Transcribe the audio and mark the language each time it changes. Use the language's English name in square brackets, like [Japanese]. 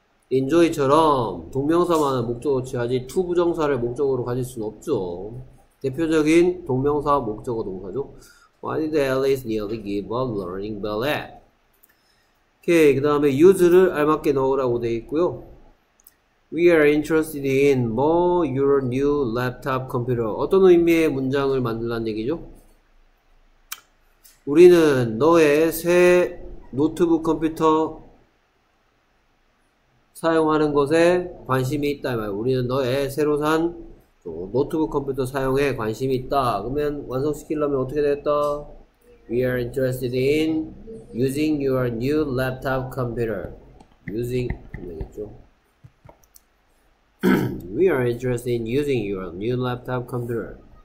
[Korean] enjoy처럼 동명사만을 목적어로 취하지 to 부정사를 목적으로 가질 수는 없죠. 대표적인 동명사 목적어 동사죠. [English] Why did Alice nearly give up learning ballet? [Korean] 오케이. 그 다음에 use를 알맞게 넣으라고 되어 있고요. [English] We are interested in more your new laptop computer. [Korean] 어떤 의미의 문장을 만들란 얘기죠? 우리는 너의 새 노트북 컴퓨터 사용하는 것에 관심이 있다. 우리는 너의 새로 산 노트북 컴퓨터 사용에 관심이 있다. 그러면 완성시키려면 어떻게 되겠다? [English] We are interested in using your new laptop computer. [Korean] Using 되겠죠. [English] We are interested in using your new laptop computer.